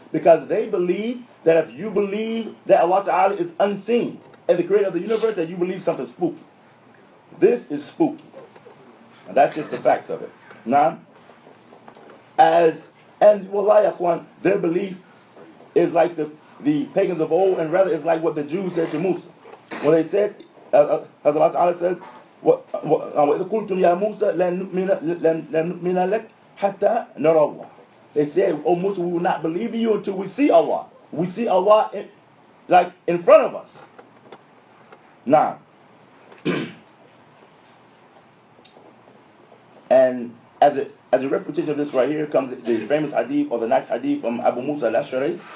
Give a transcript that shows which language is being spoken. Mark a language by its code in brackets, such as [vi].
[en] Because they believe that if you believe that Allah Ta'ala is unseen and the creator of the universe, that you believe something spooky. This is spooky. And that's just the facts of it. Now, wallahi, akhwan, their belief is like the pagans of old, and rather it's like what the Jews said to Musa. When they said, as Allah Ta'ala says, [ar] وَإِذْ قُلْتُمْ يَا مُوسَى لَنْ نُؤْمِنَ لَكْ حَتَّى نَرَى اللَّهِ. [en] They said, O Musa, we will not believe in you until we see Allah. We see Allah in front of us. Now, And as a repetition of this right here comes the famous hadith, or the next hadith, from Abu Musa al-Ash'ari.